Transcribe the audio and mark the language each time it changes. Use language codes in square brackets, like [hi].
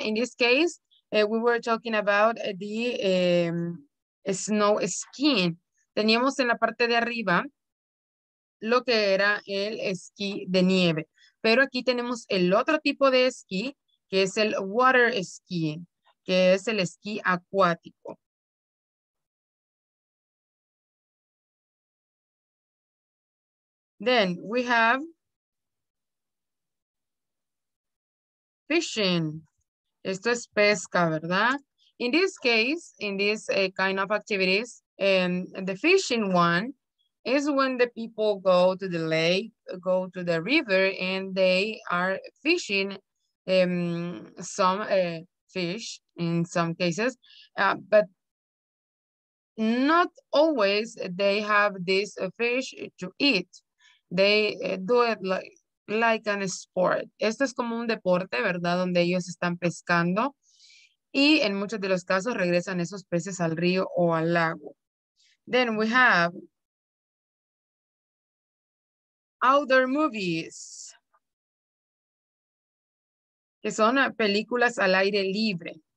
[en] In this case, we were talking about the snow skiing. [es] Teníamos en la parte de arriba lo que era el esquí de nieve, pero aquí tenemos el otro tipo de esquí, que es el water skiing, que es el esquí acuático. [en] Then we have fishing. [es] Esto es pesca, ¿verdad? [en] In this case, in this kind of activities, the fishing one is when the people go to the lake, go to the river, and they are fishing some fish in some cases. But not always they have this fish to eat. They do it like an sport. [es] Esto es como un deporte, ¿verdad? Donde ellos están pescando y en muchos de los casos regresan esos peces al río o al lago. [en] Then we have outdoor movies, [es] que son películas al aire libre.